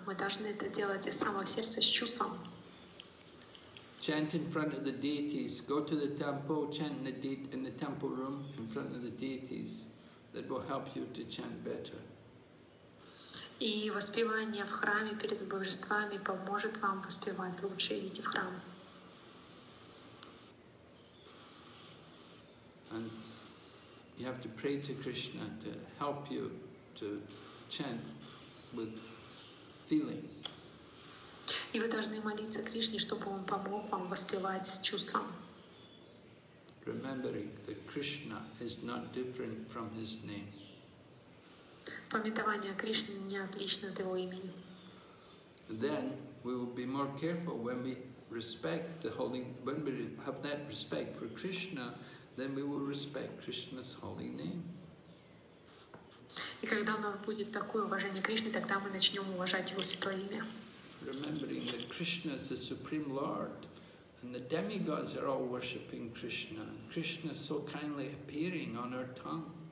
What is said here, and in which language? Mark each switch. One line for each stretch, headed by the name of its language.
Russian: Мы должны это делать из самого сердца, с чувством.
English: Chant in front of the deities. Go to the temple, chant in the temple room in front of the deities. That will help you to chant better.
Russian: И воспевание в храме перед божествами поможет вам воспевать лучше. Идите в храм.
English: And you have to pray to Krishna to help you to chant with feeling.
Russian: И вы должны молиться Кришне, чтобы он помог вам воспевать с чувством.
English: Remembering that Krishna is not different from his name.
Russian: Памятование Кришны не отлично от его имени.
English: Then we will be more careful when we respect the holy, when we have that respect for Krishna, then we will respect Krishna's holy name.
Russian: И когда у нас будет такое уважение к Кришне, тогда мы начнем уважать его святое имя.
English: Remembering that Krishna is the Supreme Lord and the demigods are all worshipping Krishna. Krishna is so kindly appearing on our tongue.